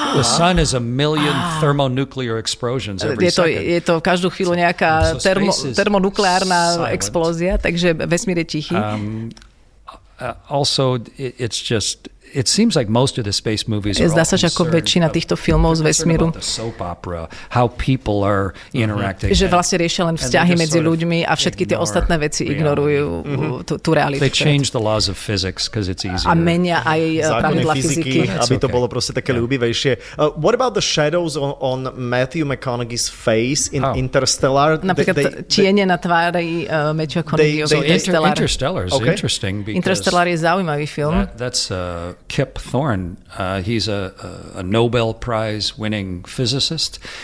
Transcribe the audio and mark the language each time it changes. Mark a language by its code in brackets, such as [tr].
[en] The sun is a million thermonuclear explosions every second. [sk] Je to každú chvíľu nejaká termonukleárna explózia, takže vesmír je tichý. [en] Also, it's just, it seems like most of the space movies [sk] zdá sa, že ako väčšina týchto filmov z vesmíru, [en] opera, how people are interacting, [sk] že vlastne riešia len vzťahy medzi ľuďmi a všetky tie ostatné veci ignorujú tú realitu. [en] They change the laws of physics because it's easier. [sk] A menia aj pravidlá fyziky, aby to bolo proste také ľúbivejšie. [en] What about the shadows on Matthew McConaughey's face in Interstellar? [sk] Napríklad tiene na tvári Matthew McConaughey's Interstellar. [en] Interstellar is interesting because [sk] Interstellar je zaujímavý film. [en] That's Kip Thorne. He's a Nobel Prize winning physicist.